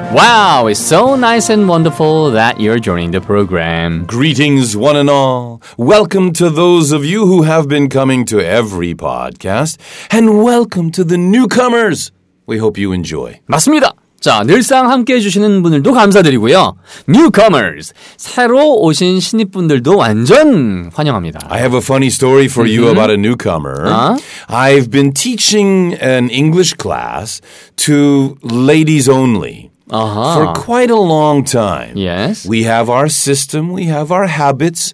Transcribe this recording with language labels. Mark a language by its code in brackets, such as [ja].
[en] Wow, it's so nice and wonderful that you're joining the program. Greetings one and all. Welcome to those of you who have been coming to every podcast and welcome to the newcomers. We hope you enjoy. [ko] 맞습니다. 자, 늘상 함께해 주시는 분들도 감사드리고요. Newcomers, 새로 오신 신입분들도 완전 환영합니다. [en] I have a funny story for you about a newcomer. I've been teaching an English class to ladies only. Uh-huh. For quite a long time. Yes. We have our system, we have our habits.